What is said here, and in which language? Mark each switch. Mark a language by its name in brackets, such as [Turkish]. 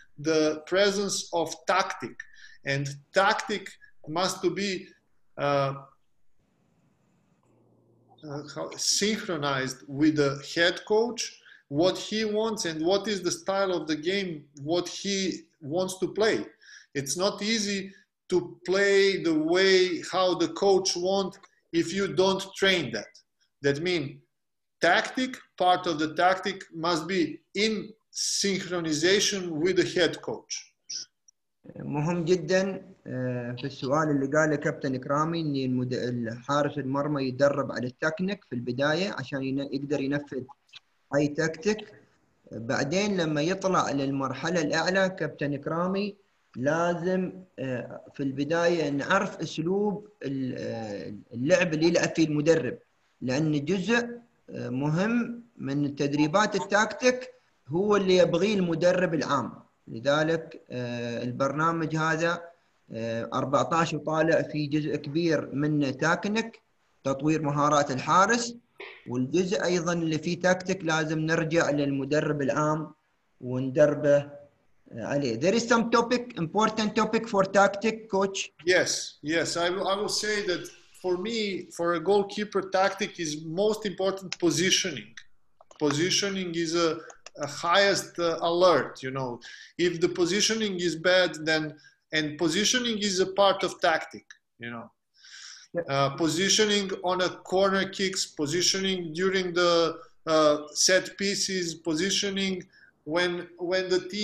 [English] The presence of tactic and tactic must to be synchronized with the head coach what he wants and what is the style of the game what he wants to play it's not easy to play the way how the coach want if you don't train that means tactic part of the tactic must be in synchronization with the head coach. [Arabic] مهم جدا في السؤال اللي قاله كابتن إكرامي إن الحارس المرمى يدرب على التكنيك في البداية عشان يقدر ينفذ أي تكتيك. بعدين لما يطلع للمرحلة الأعلى كابتن إكرامي لازم في البداية نعرف أسلوب اللعب اللي يلعب فيه المدرب لأن جزء مهم من التدريبات التكتيك. هو اللي يبغي المدرب العام لذلك البرنامج هذا 14 طالع في جزء كبير من تاكنيك تطوير مهارات الحارس والجزء أيضا اللي فيه تاكتيك لازم نرجع للمدرب العام وندربه عليه [English] There is some topic important topic for tactic coach Yes I will say that for me for a goalkeeper tactic is most important positioning is a highest alert you know if the positioning is bad then and positioning is a part of tactic you know positioning on a corner kicks positioning during the set pieces positioning when the